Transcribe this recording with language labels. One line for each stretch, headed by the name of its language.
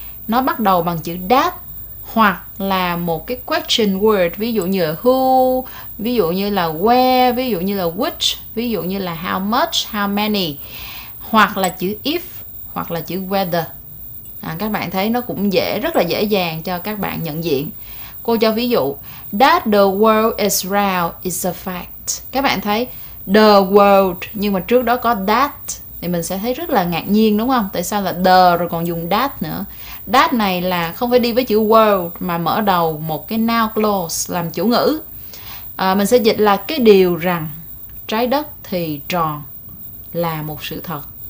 Vietnamese: Nó bắt đầu bằng chữ that hoặc là một cái question word. Ví dụ như là who, ví dụ như là where, ví dụ như là which, ví dụ như là
English: how much, how many.
Vietnamese: Hoặc là chữ if, hoặc là chữ whether. Các bạn thấy nó cũng dễ, rất là dễ dàng cho các bạn nhận diện. Cô cho ví dụ,
English: that the world is round is a fact.
Vietnamese: Các bạn thấy the world, nhưng mà trước đó có that, thì mình sẽ thấy rất là ngạc nhiên đúng không? Tại sao là the rồi còn dùng that nữa? That này là không phải đi với chữ world mà mở đầu một cái noun clause làm chủ ngữ. Mình sẽ dịch là cái điều rằng trái đất thì tròn là một sự thật.